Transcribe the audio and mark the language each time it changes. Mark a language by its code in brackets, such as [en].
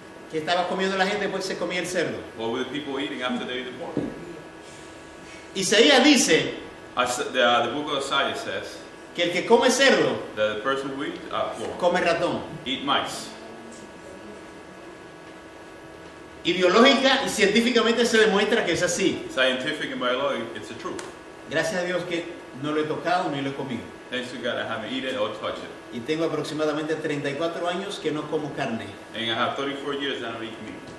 [es] ¿Qué estaba comiendo la gente después se comía el cerdo? [en] What were the people eating after they ate the pork? [es] Isaías dice. [en] The book of Isaiah says. [es] Que el que come cerdo. [en] That the person who eats pork. [es] Come ratón. [en] Eat mice. [es] Ideológica y científicamente se demuestra que es así. [en] Scientific and biologic, it's the truth. [es] Gracias a Dios que no lo he tocado ni lo he comido. [en] Thanks to God I haven't eaten or touched it. [es] Y tengo aproximadamente 34 años que no como carne. [en] And I have 34 years that I don't eat meat.